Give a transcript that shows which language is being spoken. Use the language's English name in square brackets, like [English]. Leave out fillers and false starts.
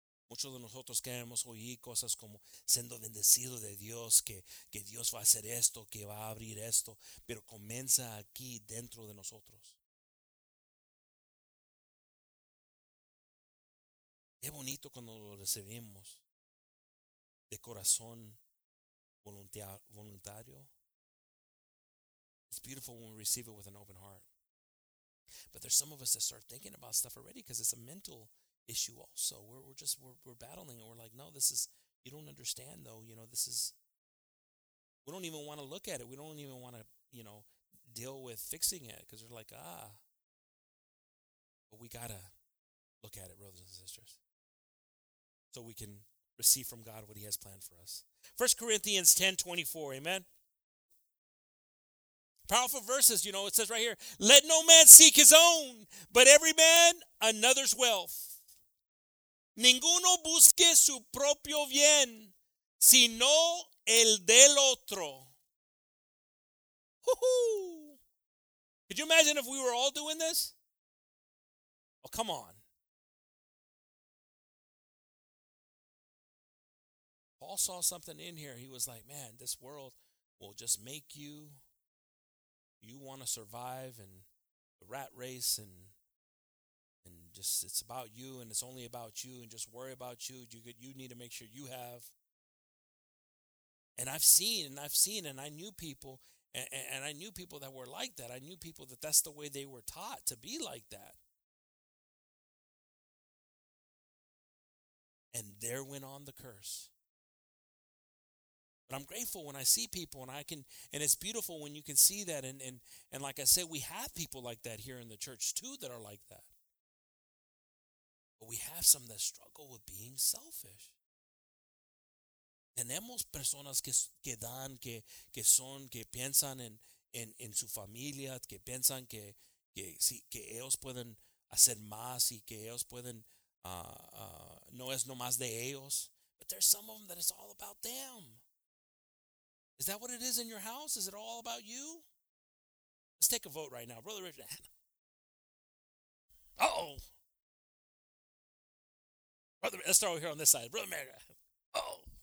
[Spanish] Muchos de nosotros queremos oír cosas como siendo bendecido de Dios, que Dios va a hacer esto, que va a abrir esto, pero comienza aquí dentro de nosotros. Qué bonito cuando lo recibimos de corazón voluntario. [English] It's beautiful when we receive it with an open heart. But there's some of us that start thinking about stuff already because it's a mental issue also. We're battling it. We're like, no, this is, you don't understand though. You know, this is, we don't even want to look at it. We don't even want to, you know, deal with fixing it because they're like, ah. But we got to look at it, brothers and sisters, so we can receive from God what he has planned for us. 1 Corinthians 10:24, amen. Powerful verses, you know, it says right here, let no man seek his own, but every man another's wealth. [Spanish] Ninguno busque su propio bien, sino el del otro. Woo-hoo! [English] Could you imagine if we were all doing this? Oh, come on. Paul saw something in here. He was like, man, this world will just make you. You want to survive in the rat race and just it's about you and it's only about you and just worry about you. You need to make sure you have. And I knew people and I knew people that were like that. I knew people that's the way they were taught to be like that. And there went on the curse. But I'm grateful when I see people and it's beautiful when you can see that. And like I said, we have people like that here in the church too that are like that. But we have some that struggle with being selfish. [Spanish] Tenemos personas que dan, que son, que piensan en su familia, que piensan que ellos pueden hacer más y que ellos pueden, no es nomás de ellos. [English] But there's some of them that it's all about them. Is that what it is in your house? Is it all about you? Let's take a vote right now. Brother Richard. Uh-oh. Brother, let's start over here on this side. Brother Mary. Uh-oh.